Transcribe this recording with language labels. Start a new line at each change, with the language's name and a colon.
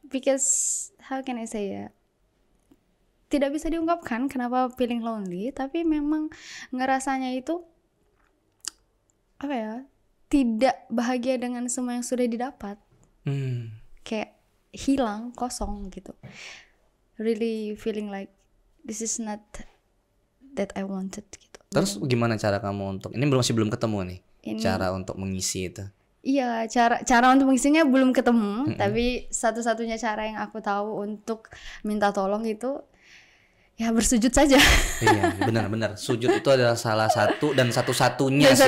English: Because how can I say
Indonesian: ya, tidak bisa diungkapkan kenapa
English: feeling lonely,
Indonesian: tapi memang ngerasanya itu apa ya, tidak bahagia dengan semua yang sudah didapat. Kayak hilang, kosong gitu.
English: Really feeling like this is not that I wanted gitu.
Indonesian: Terus gimana cara kamu untuk, ini masih belum ketemu nih, ini, cara untuk mengisi itu. Iya, cara untuk mengisinya belum ketemu. Tapi satu-satunya cara yang aku tahu untuk minta tolong itu ya bersujud saja. Iya, benar-benar. Sujud itu adalah salah satu dan satu-satunya sih.